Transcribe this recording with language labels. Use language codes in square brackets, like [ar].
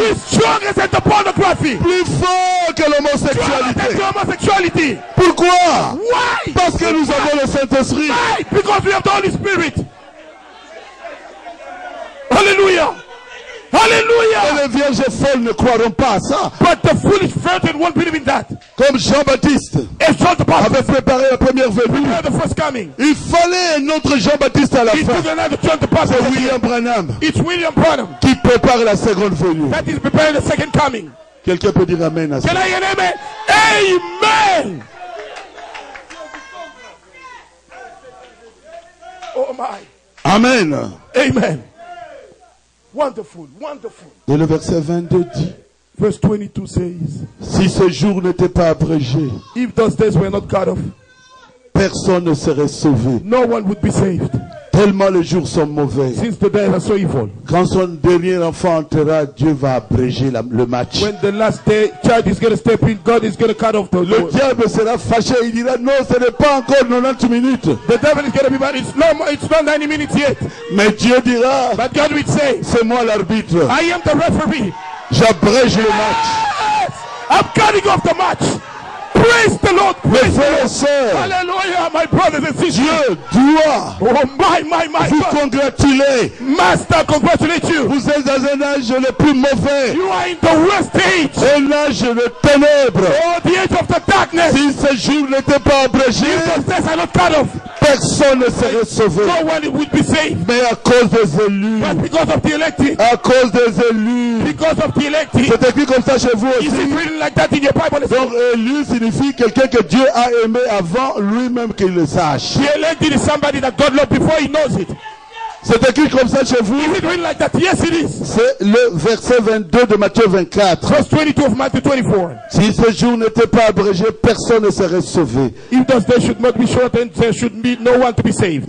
[en] We're stronger than the pornography. [fr] Plus forts que l'homosexualité. [en] Stronger than the homosexuality. [fr] Pourquoi? [en] Why? [fr] Parce que nous avons le Saint-Esprit. [en] Why? Because we have the Holy Spirit. [fr] Alléluia. Alléluia. Les vierges folles ne croiront pas à ça. [en] But the foolish virgin won't believe in that. [fr] Comme Jean-Baptiste avait préparé la première venue. [en] The first coming. [fr] Il fallait un autre Jean-Baptiste à la fin. [en] Took another John the Baptist. [fr] C'est William Branham. [en] It's William Branham. [fr] Qui prépare la seconde venue. [en] That is preparing the second coming. [fr] Quelqu'un peut dire amen à ça. [en] Can I hear amen? Amen. Oh my. Amen. Amen. Wonderful, wonderful. [fr] Et le verset 22 dit, [en] verse 22 says, [fr] si ce jour n'était pas abrégé, [en] if those days were not cut off, [fr] personne ne serait sauvé. [en] No one would be saved. [fr] Tellement les jours sont mauvais. [en] Since the days are so evil. [fr] Quand son dernier enfant entrera, Dieu va abréger le match. [en] When the last day child is going to step in, God is going to cut off the [fr] Le diable sera fâché, il dira non, ce n'est pas encore 90 minutes. [en] The devil is going to be mad, it's not 90 minutes yet. [fr] Mais Dieu dira, [en] but God will say, [fr] c'est moi l'arbitre. [en] I am the referee. [fr] J'abrège le match. [en] I'm cutting off the match. Praise the Lord, praise the Lord. [fr] Sœurs, [en] hallelujah, my brothers and sisters. [fr] Dieu doit [en] my [fr] vous congratuler. [en] Master, congratulate you. [fr] Vous êtes dans un âge le plus mauvais. [en] You are in the worst age. [fr] Un âge de ténèbres. [en] Oh, the age of the darkness. [fr] Si ce jour n'était pas abrégé, [en] if those days are not cut off, [fr] personne ne serait sauvé. [en] No one would be saved. [fr] Mais à cause des élus. [en] But because of the elected. [fr] À cause des élus. [en] Because of the elected. [fr] C'est écrit comme ça chez vous aussi. [en] Is it written like that in your Bible? [fr] Donc élu signifie quelqu'un que Dieu a aimé avant lui-même qu'il le sache. [en] The elected is somebody that God loved before he knows it. [fr] C'est écrit comme ça chez vous. [en] Is it written like that? Yes, it is. [fr] C'est le verset 22 de Matthieu 24. [en] Verse 22 of Matthew 24. [fr] Si ce jour n'était pas abrégé, personne ne serait sauvé. [en] If those days should not be shortened, there should be no one to be saved.